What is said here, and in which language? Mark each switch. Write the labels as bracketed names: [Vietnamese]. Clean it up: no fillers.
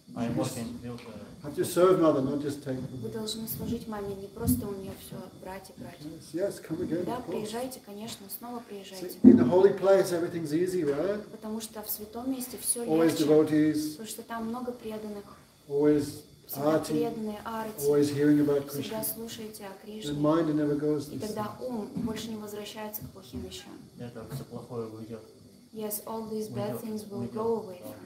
[English] Have to serve mother, not just take money. [Russian] Вы должны служить маме, не просто у нее все брать и брать. [English] Yes, come again. [Russian] Да, приезжайте, конечно, снова приезжайте. [English] See, in the holy place everything's easy, right? [Russian] Потому что в святом месте все легче. [English] Always devotees. [Russian] Потому что там много преданных. [English] Always. Always hearing about Krishna. [Russian] Всегда слушаете о Кришне. The mind never goes. И тогда ум больше не возвращается к плохим вещам. Все плохое уйдет. [English] Yes, all these bad things will go away.